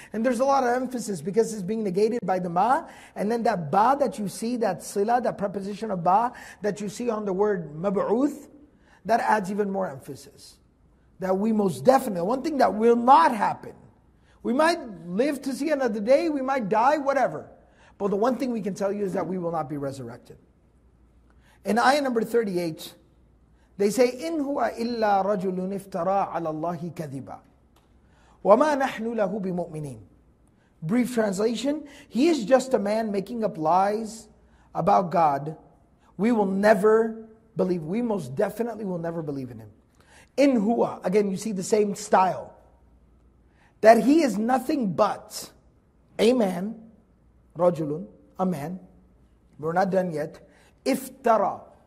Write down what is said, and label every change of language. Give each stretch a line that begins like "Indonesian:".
English: And there's a lot of emphasis because it's being negated by the ma. And then that ba that you see, that sila, that preposition of ba, that you see on the word mab'uth, that adds even more emphasis. That we most definitely, one thing that will not happen. We might live to see another day, we might die, whatever. But the one thing we can tell you is that we will not be resurrected. In ayah number 38, they say,
Arabic: إِنْ هُوَ إِلَّا رَجُلٌ افْتَرَى عَلَى اللَّهِ كَذِبًا وَمَا نَحْنُ لَهُ بِمُؤْمِنِينَ.
English: Brief translation, he is just a man making up lies about God. We will never believe, we most definitely will never believe in him.
Arabic: إِنْ هُوَ,
English: again you see the same style, that he is nothing but a man, رَجُلٌ, a man, we're not done yet, افْتَرَى.